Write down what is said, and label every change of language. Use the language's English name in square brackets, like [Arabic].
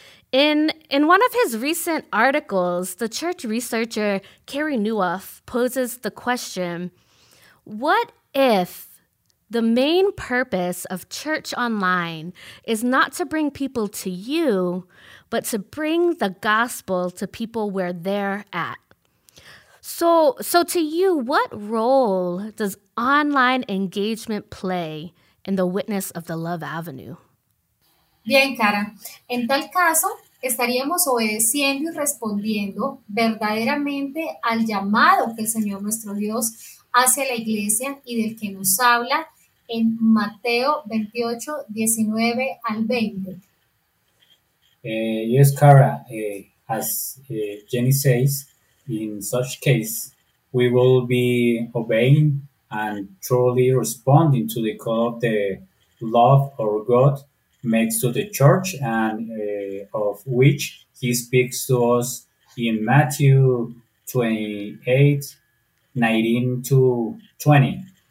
[English] In one of his recent articles, the church researcher Kerry Nuoff poses the question, what if the main purpose of church online is not to bring people to you, but to bring the gospel to people where they're at? So to you, what role does online engagement play in the witness of the Love Avenue? [Spanish] Bien, Cara. En tal caso, estaríamos obedeciendo y respondiendo verdaderamente al llamado que el Señor nuestro Dios hace a la iglesia y del que nos habla en Mateo 28, 19 al 20. [English] Yes, Cara. Jenny says, in such case, we will be obeying and truly responding to the call of the love our God makes to the church and of which he speaks to us in Matthew 28, 19 to 20.